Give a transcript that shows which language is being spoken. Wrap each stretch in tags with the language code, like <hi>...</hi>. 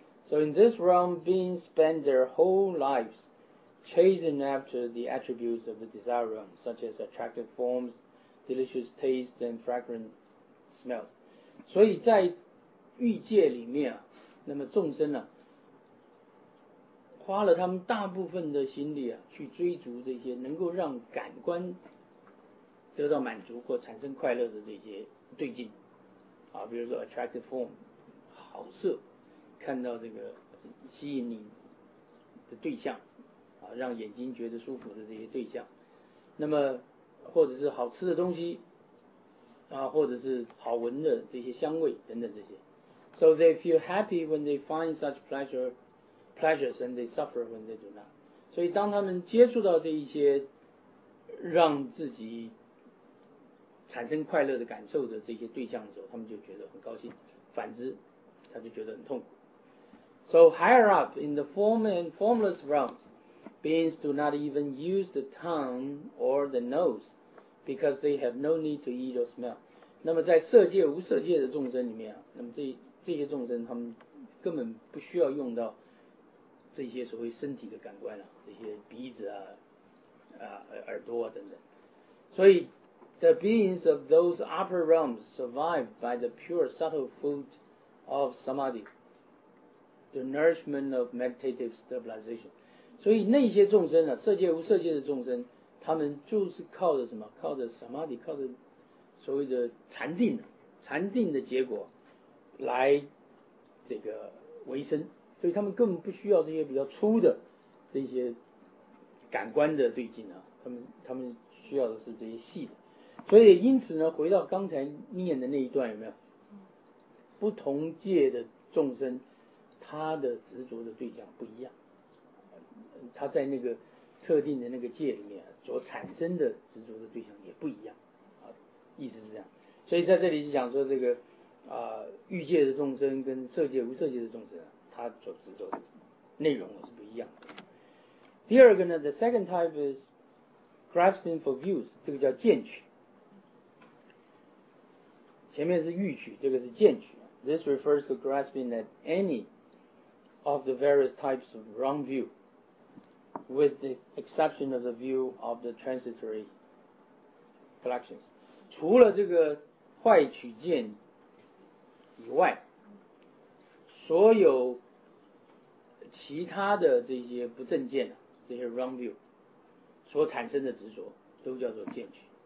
<en>So in this realm, beings spend their whole lives chasing after the attributes of the desire realm, such as attractive forms, delicious taste, and fragrant smell.</en> <zh>所以在欲界里面、啊、那么众生、啊、花了他们大部分的心力、啊、去追逐这些能够让感官得到满足或产生快乐的这些对境、啊、比如说 attractive form, 好色看到这个吸引你的对象啊，让眼睛觉得舒服的这些对象，那么或者是好吃的东西啊，或者是好闻的这些香味等等这些。</zh> <en>So they feel happy when they find such pleasures and they suffer when they do not.</en> <zh>所以当他们接触到这一些让自己产生快乐的感受的这些对象的时候，他们就觉得很高兴，反之他就觉得很痛苦。</zh> <en>So higher up in the form and formless realms, beings do not even use the tongue or the nose because they have no need to eat or smell.</en> <zh>那么在色界无色界的众生里面，那么 这些众生他们根本不需要用到这些所谓身体的感官啊，这些鼻子啊耳朵啊等等。</zh> <en>所以The beings of those upper realms survive by the pure subtle food of samadhi, the nourishment of meditative stabilization.</en> <zh>所以那些众生啊，色界无色界的众生，他们就是靠着什么？靠着 samadhi, 靠着所谓的禅定的结果来这个维生。所以他们根本不需要这些比较粗的这些感官的对境啊，他们需要的是这些细的。所以因此呢，回到刚才念的那一段，有没有不同界的众生他的执着的对象不一样，他在那个特定的那个界里面所产生的执着的对象也不一样，意思是这样。所以在这里就讲说这个欲界的众生跟色界无色界的众生，他所执着的内容是不一样的。第二个呢，</zh> <en>the second type is grasping for views,</en> <zh>这个叫见取。前面是欲取，这个是见取。</zh> <en>This refers to grasping at any of the various types of wrong view, with the exception of the view of the transitory collections.</en> <zh>除了这个坏取见以外，所有其他的这些不正见，这些 wrong view 所产生的执着都叫做见取。</zh>